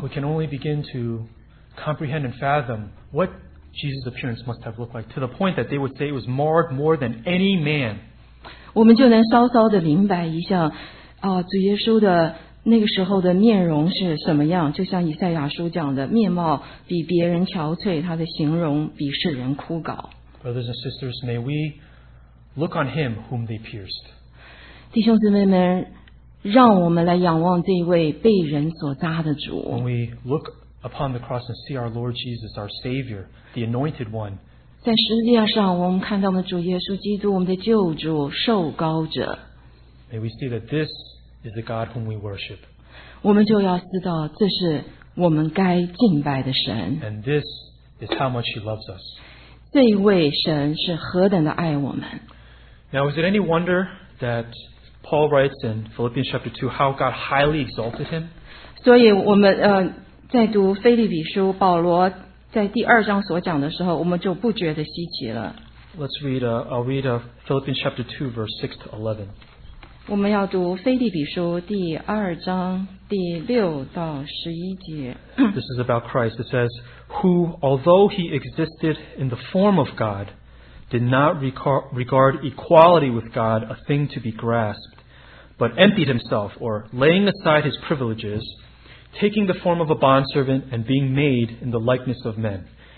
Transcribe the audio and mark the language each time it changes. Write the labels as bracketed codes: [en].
[en] ，we can only begin to comprehend and fathom what. Jesus' appearance must have looked like to the point that they would say it was marred more than any man. [zh] 我们就能稍稍地明白一下主耶稣的那个时候的面容是什么样，就像以赛亚书讲的，面貌比别人憔悴，他的形容比世人枯槁。 [en] Brothers and sisters, may we look on him whom they pierced. [zh] 弟兄姊妹们，让我们来仰望这位被人所扎的主。 [en] When we look upon the cross and see our Lord Jesus, our Savior,The Anointed One. [zh] 在十字架上，我们看到我们主耶稣基督，我们的救主，受膏者。 [en] May we see that this is the God whom we worship. [zh] 我们就要知道，这是我们该敬拜的神。 [en] And this is how much He loves us. [zh] 这一位神是何等的爱我们。 [en] Now, is it any wonder that Paul writes in Philippians chapter 2 how God highly exalted Him? [zh] 所以我们在读腓立比书，保罗。在第二章所讲的时候，我们就不觉得稀奇了。 [en] Let's read. I'll read Philippians chapter 2, verse 6 to 11. [zh] 我们要读腓立比书第二章第六到十一节。 [en] This is about Christ. It says, "Who, although he existed in the form of God, did not regard equality with God a thing to be grasped, but emptied himself, or laying aside his privileges, taking the form of a bondservant and being made in the likeness of men.